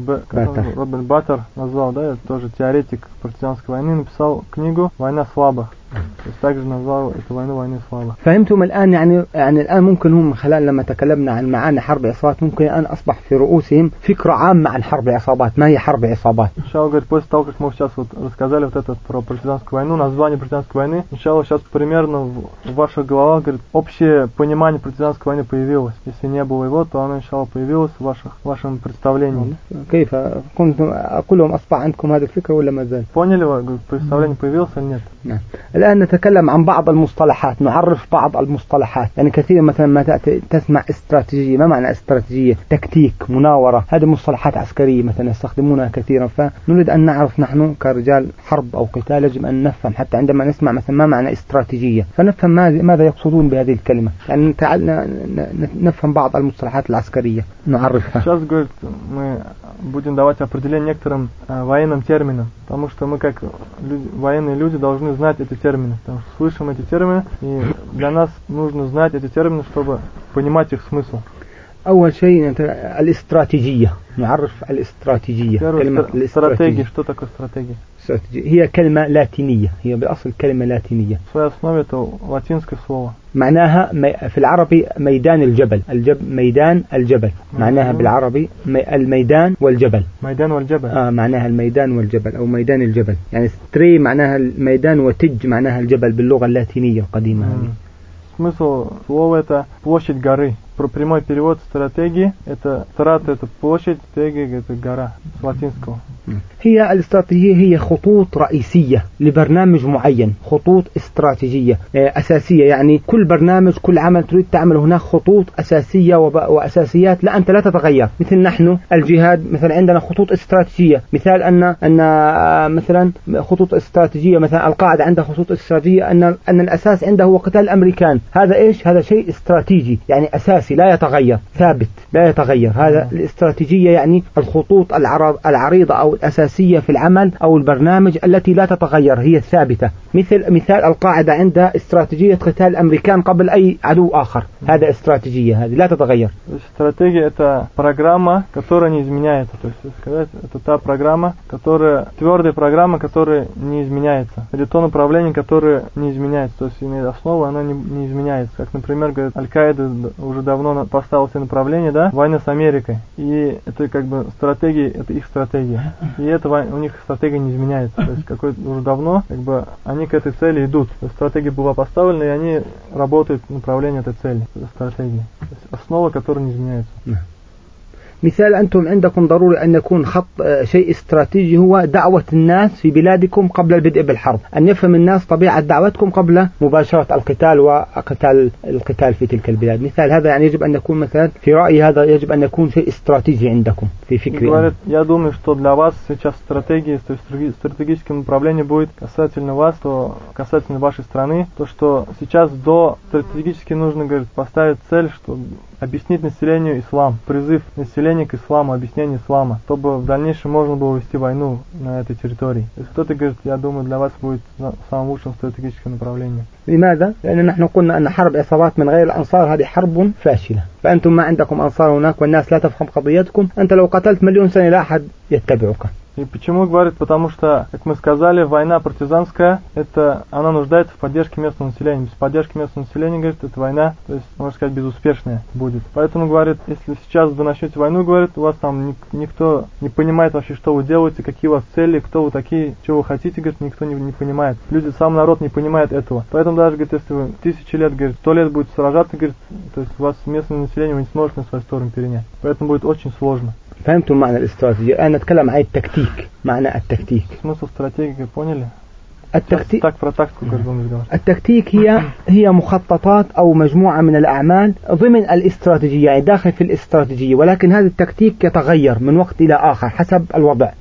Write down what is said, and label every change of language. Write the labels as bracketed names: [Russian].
[Russian] Роберт Баттер назвал, да, это тоже теоретик партизанской войны, написал книгу «Война слабых». То есть также назвал эту войну «Войны слабых». [Arabic] فهمتم الآن يعني الآن ممكن هم خلال لما تكلمنا عن معاني حرب عصابات ممكن الآن أصبح في رؤوسهم فكرة عامة عن حرب عصابات ما هي حرب عصابات. إن شاء الله [Russian] говорит, после того как мы сейчас вот рассказали вот это про партизанскую войну, название партизанской войны, إن شاء الله сейчас примерно в ваших головах, говорит, общее понимание партизанской войны появилось. Если не было его, то оно, иншаллах, появилось в вашем представлении. [Arabic] كيف كنت أقول لهم أصبح عندكم هذه الفكرة ولا ما زال؟ [Russian] Поняли вы, говорит, представление появилось или нет? [Arabic] الآن نتكلم عن بعض المصطلحات نعرف بعض المصطلحات يعني كثير مثلا ما تسمع استراتيجية ما معنى استراتيجية تكتيك مناورة هذه مصطلحات عسكرية مثلا يستخدمونها كثيرا فنريد أن نعرف نحن كرجال حرب أو قتال يجب أن نفهم حتى عندما نسمع مثلا ما معنى استراتيجية فنفهم ماذا يقصدون بهذه الكلمة يعني تعالنا نفهم بعض المصطلحات العسكرية نعرفها [Russian] сейчас говорит мы будем давать определение некоторым военным терминам потому что мы как военные люди должны знать эти термины, потому что слышим эти термины, и для нас нужно знать эти термины, чтобы понимать их смысл. [Arabic] أول شيء [Russian] это [Arabic] الاستراتيجية. نعرف الاستراتيجية. كلمة استراتيجية. [Russian] Что такое стратегия? [Arabic] Стратегия. هي كلمة لاتينية. هي بالأصل كلمة لاتينية. [Russian] В своей основе это латинское слово. [Arabic] معناها في العربي ميدان الجبل. ميدان الجبل. معناها بالعربي الميدان والجبل. ميدان والجبل. معناها الميدان والجبل أو ميدان الجبل. يعني ستري معناها الميدان وتج معناها الجبل باللغة اللاتينية القديمة. [Russian] Смысл слова это площадь горы. Про прямой перевод стратегии это страт это площадь, теги это гора с латинского. [Arabic] هي الاستراتيجية هي خطوط رئيسية لبرنامج معين خطوط استراتيجية أساسية يعني كل برنامج كل عمل تريد تعمل هناك خطوط أساسية وأساسيات لا أنت لا تتغير مثل نحن الجهاد مثلا عندنا خطوط استراتيجية مثال أن مثلا خطوط استراتيجية مثلا القاعدة عندها خطوط استراتيجية أن الأساس عنده هو قتال الأمريكان هذا إيش هذا شيء استراتيجي يعني أساسي لا يتغير ثابت لا يتغير هذا الاستراتيجية يعني الخطوط العريضة أو الأساسية في العمل أو البرنامج التي لا تتغير هي الثابتة مثال القاعدة عندها استراتيجية قتال الأمريكان قبل أي عدو آخر هذا استراتيجية هذه لا تتغير [Russian] استراتيجية это программа которая не изменяется то есть сказать это та программа которая твердая программа которая не изменяется или то направление которое не изменяется то есть имеет основу она не изменяется как например говорит Аль-Каида уже давно поставил себе направление да война с Америкой и это как бы стратегия это их стратегия И это у них стратегия не изменяется. То есть какой уже давно, как бы они к этой цели идут. Стратегия была поставлена, и они работают в направлении этой цели, этой стратегии. То есть основа, которая не изменяется. [Arabic] مثال أنتم عندكم ضروري أن يكون خط شيء استراتيجي هو دعوة الناس في بلادكم قبل البدء بالحرب، أن يفهم الناس طبيعة دعوتكم قبل مباشرة القتال وقتال القتال في تلك البلاد. مثال هذا يعني يجب أن يكون مثلا في رأيي هذا يجب أن يكون شيء استراتيجي عندكم في فكري. [Russian] Говорит, я думаю, что для вас сейчас стратегия, стратегическое направление будет касательно вас, то касательно вашей страны, то что сейчас до стратегически нужно, говорит, поставить цель, что объяснить населению ислам, призыв населения к исламу, объяснение ислама, чтобы в дальнейшем можно было вести войну на этой территории. То есть кто-то говорит, я думаю, для вас будет самым лучшим стратегическим направлением. [Arabic] لماذا؟ لأن نحن قلنا أن حرب عصابات من غير الأنصار هذه حرب فاشلة، فأنتم ما عندكم أنصار هناك والناس لا تفهم قضيتكم، أنت لو قتلت مليون سنة لا أحد يتبعك. [Russian] И почему говорит? Потому что, как мы сказали, война партизанская, это она нуждается в поддержке местного населения. Без поддержки местного населения, говорит, эта война, то есть, можно сказать, безуспешная будет. Поэтому говорит, если сейчас вы начнете войну, говорит, у вас там никто не понимает вообще, что вы делаете, какие у вас цели, кто вы такие, чего вы хотите, говорит, никто не понимает. Люди, сам народ не понимает этого. Поэтому даже, говорит, если вы тысячи лет, говорит, сто лет будете сражаться, говорит, то есть у вас местное население, вы не сможете на свою сторону перенять. Поэтому будет очень сложно. [Arabic] فهمتم معنى الاستراتيجية؟ أنا أتكلم عن التكتيك، معنى التكتيك. مصطلح استراتيجي [Russian] поняли؟ [Arabic] التكتيك. التكتيك هي مخططات أو مجموعة من الأعمال ضمن الاستراتيجية، يعني داخل في الاستراتيجية، ولكن هذا التكتيك يتغير من وقت إلى آخر حسب الوضع.